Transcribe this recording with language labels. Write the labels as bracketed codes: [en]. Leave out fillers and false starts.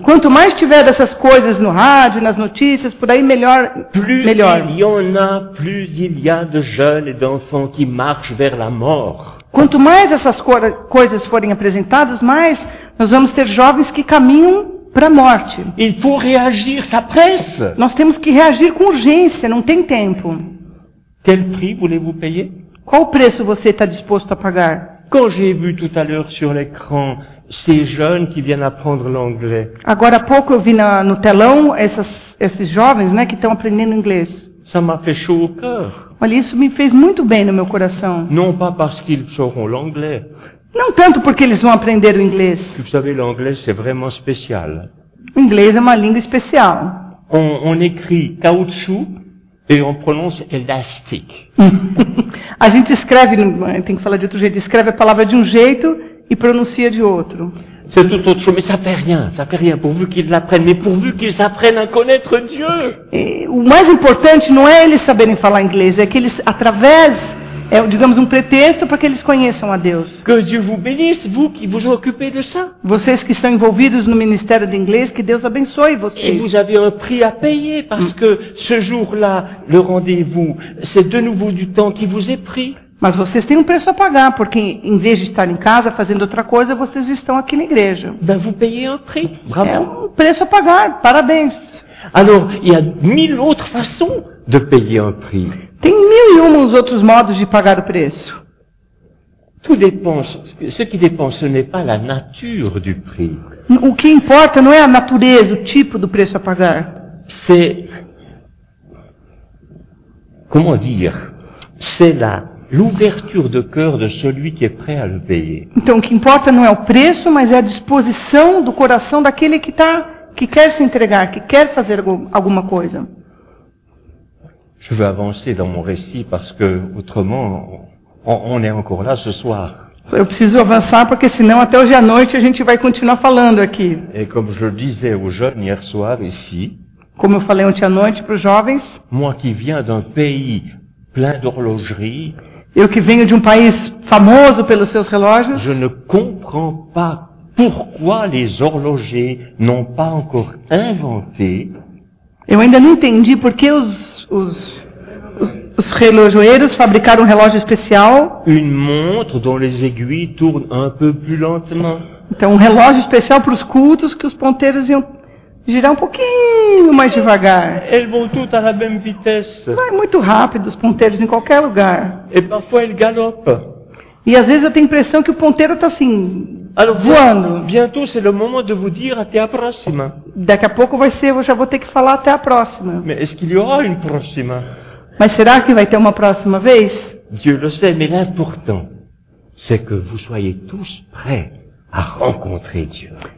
[pt] Quanto mais tiver dessas coisas no rádio, nas notícias, por aí melhor. [fr] Plus [pt] melhor. [fr] Il y en a, plus il y a de jeunes et d'enfants qui marchent vers la mort. [pt] Quanto mais essas coisas forem apresentadas, mais nós vamos ter jovens que caminham para a morte. [fr] Il faut réagir, ça presse. [pt] Nós temos que reagir com urgência, não tem tempo. [fr] Quel prix voulez-vous payer? [pt] Qual preço você está disposto a pagar? [fr] Quand j'ai vu tout à l'heure sur l'écran ces jeunes qui viennent apprendre l'anglais. [pt] Agora há pouco eu vi no telão esses jovens, né, que estão aprendendo inglês. [fr] Ça m'a fait chaud au cœur. [pt] Olha, isso me fez muito bem no meu coração. [fr] Non pas parce qu'ils sauront l'anglais. [pt] Não tanto porque eles vão aprender o inglês. [fr] Vous savez, l'anglais, c'est vraiment spécial. [pt] O inglês é uma língua especial. [fr] On écrit caoutchouc et on prononce élastique. [pt] A gente escreve, tem que falar de outro jeito, escreve a palavra de um jeito e pronuncia de outro. [fr] C'est tout autre chose, mais ça fait rien, pourvu qu'ils l'apprennent, mais pourvu qu'ils apprennent à connaître Dieu. [pt] Et, o mais importante não é eles saberem falar inglês, é que eles, através, é, digamos, um pretexto para que eles conheçam a Deus. [fr] Que Dieu vous bénisse, vous qui vous occupez de ça. [pt] Vocês que estão envolvidos no ministério de inglês, que Deus abençoe vocês. [fr] Et vous avez un prix à payer, parce que ce jour-là, le rendez-vous, c'est de nouveau du temps qui vous est pris. [pt] Mas vocês têm um preço a pagar, porque em vez de estar em casa fazendo outra coisa, vocês estão aqui na igreja. [fr] Ben, vous payez un prix. [pt] É um preço a pagar, parabéns. [fr] Alors, il y a mille autres façons de payer un prix. [pt] Tem mil e um outros modos de pagar o preço. [fr] Tout dépend, ce qui dépend, ce n'est pas la nature du prix. [pt] O que importa não é a natureza, o tipo do preço a pagar. [fr] C'est... Comment dire? C'est la... L'ouverture de cœur de celui qui est prêt à le payer. [pt] Então, o que importa não é o preço, mas é a disposição do coração daquele que tá, que quer se entregar, que quer fazer alguma coisa. [fr] Je veux avancer dans mon récit parce que autrement on est encore là ce soir. [pt] Eu preciso avançar porque senão até hoje à noite a gente vai continuar falando aqui. [fr] Et comme je disais aux jeunes hier soir ici. [pt] Como eu falei ontem à noite para os jovens. [fr] Moi qui viens d'un pays plein d'horlogerie. [pt] Eu que venho de um país famoso pelos seus relógios. [fr] Je ne comprends pas pourquoi les horlogers n'ont pas encore inventé. [pt] Eu ainda não entendi por que os relojoeiros fabricaram um relógio especial. [fr] Une montre dont les aiguilles tournent un peu plus lentement. [pt] Então, um relógio especial para os cultos que os ponteiros iam girar um pouquinho mais devagar. [fr] Elles vont toutes à la même vitesse. [pt] Vai muito rápido os ponteiros em qualquer lugar. [fr] Et parfois ils galopent. [pt] E às vezes eu tenho a impressão que o ponteiro está assim, alors, voando. [fr] Bientôt c'est le moment de vous dire até à prochaine. [pt] Daqui a pouco vai ser, eu já vou ter que falar até a próxima. [fr] Mais est-ce qu'il y aura une prochaine? [pt] Mas será que vai ter uma próxima vez? [fr] Dieu le sait, mais l'important, c'est que vous soyez tous prêts à rencontrer Dieu.